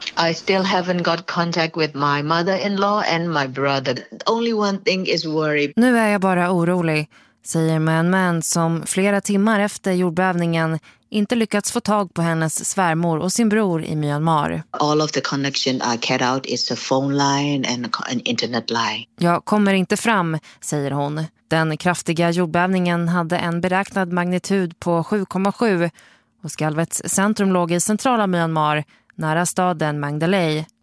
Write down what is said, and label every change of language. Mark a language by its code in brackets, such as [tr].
[en] I still haven't got contact with my mother-in-law and my brother. Only one thing is worry. [sv] Nu är jag bara orolig, säger Men Mae som flera timmar efter jordbävningen inte lyckats få tag på hennes svärmor och sin bror i Myanmar. [en] All of the connection I cut out is a phone line and an internet line. [sv] Jag kommer inte fram, säger hon. Den kraftiga jordbävningen hade en beräknad magnitud på 7,7 och skalvets centrum låg i centrala Myanmar, nära staden Mandalay.